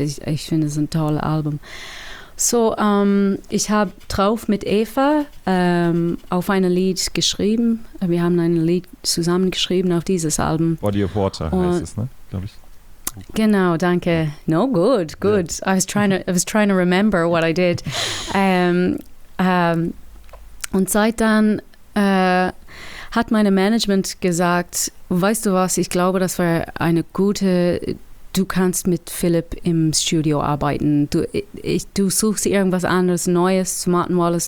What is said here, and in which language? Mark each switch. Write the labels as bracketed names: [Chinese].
[German] Ich finde es ein tolles Album. So, ich habe drauf mit Eva auf ein Lied geschrieben. Wir haben ein Lied zusammen geschrieben auf dieses Album. Body of Water heißt es, ne? Glaube ich. [English] Genau, danke. No, good. Yeah. I was trying to remember what I did. [German] Und seit dann hat meine Management gesagt, weißt du was, ich glaube, das war eine gute, du kannst mit Philipp im Studio arbeiten. Du suchst irgendwas anderes, Neues zu Martin Wallace.